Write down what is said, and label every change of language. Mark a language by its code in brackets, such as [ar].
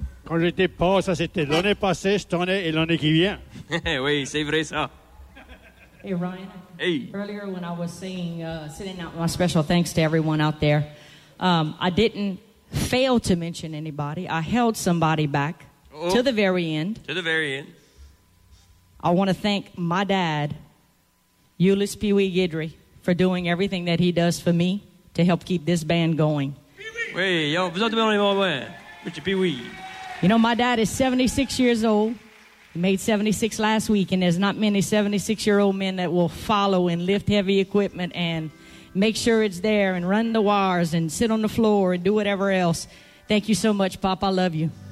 [fr] Quand j'étais pauvre, ça, c'était l'année passée, cette année et l'année qui vient. Oui, c'est vrai, ça. [en] Hey, Ryan. Hey. Earlier, when I was singing, sending out my special thanks to everyone out there, I didn't fail to mention anybody. I held somebody back. Oh. To the very end. To the very end. I want to thank my dad, Ulysses Pee Wee Guidry, for doing everything that he does for me to help keep this band going. Wait, [fr] yo, vous êtes bien mon père, Mr. [en] Pee Wee. You know, my dad is 76 years old. He made 76 last week, and there's not many 76-year-old men that will follow and lift heavy equipment and make sure it's there and run the wires and sit on the floor and do whatever else. Thank you so much, Pop. I love you.